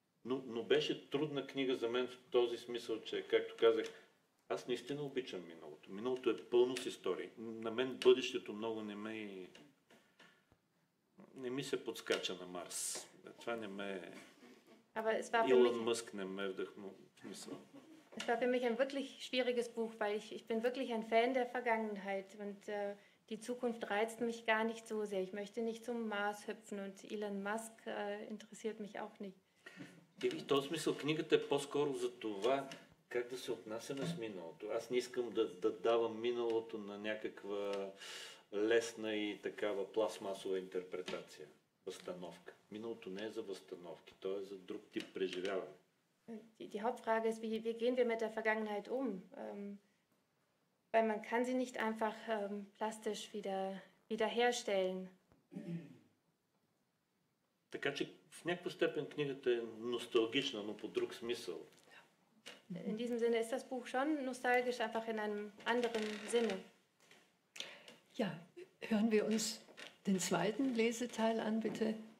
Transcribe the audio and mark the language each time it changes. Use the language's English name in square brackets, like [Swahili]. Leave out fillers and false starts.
[Bulgarian] Но беше трудна книга за мен в този смисъл, че, както казах, аз наистина обичам миналото. Миналото е пълно с истории. На мен бъдещето много не ми се подскача на Марс. Това не ме е... Илон Мъск не ме вдъхнува. [German] Es war für mich ein wirklich schwieriges Buch, weil ich bin wirklich ein Fan der Vergangenheit und die Zukunft reizt mich gar nicht so sehr. Ich möchte nicht zum Mars hüpfen und Elon Musk interessiert mich auch nicht. [Bulgarian] И в този смисъл книгата е по-скоро за това как да се отнасяме с миналото. Аз не искам да давам миналото на някаква лесна и такава пластмасова интерпретация, възстановка. Миналото не е за възстановки, то е за друг тип преживяване. [German] Die Hauptfrage ist, wie gehen wir mit der Vergangenheit um? Weil man kann sie nicht einfach plastisch wiederherstellen. [Bulgarian] Така че в някаква степен книгата е носталгична, но по друг смисъл. [German] In diesem Sinne ist das Buch schon nostalgisch, einfach in einem anderen Sinne. Ja, hören wir uns den zweiten Leseteil an, bitte.